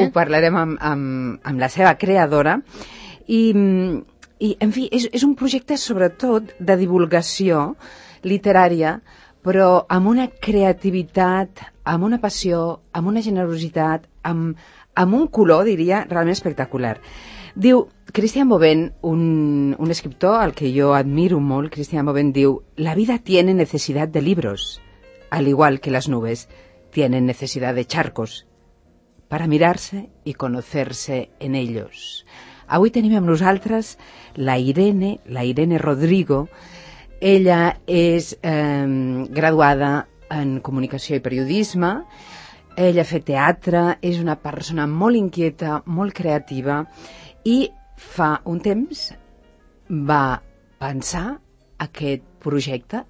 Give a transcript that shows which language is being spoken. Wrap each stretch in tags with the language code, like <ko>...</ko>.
<ca>Ho parlarem amb la seva creadora. I en fi, és un projecte sobretot de divulgació literària, però amb una creativitat, amb una passió, amb una generositat, amb un color, diria, realment espectacular. Diu Christian Bobén, un escriptor al que jo admiro molt, Christian Bobén diu:</ca> <es>la vida tiene necesidad de libros, al igual que las nubes tienen necesidad de charcos, para mirarse y conocerse en ellos.</es> <ca>Avui tenim amb nosaltres la Irene Rodrigo. Ella és graduada en comunicació i periodisme. Ella ha fet teatre, és una persona molt inquieta, molt creativa, i fa un temps va pensar aquest projecte.</ca>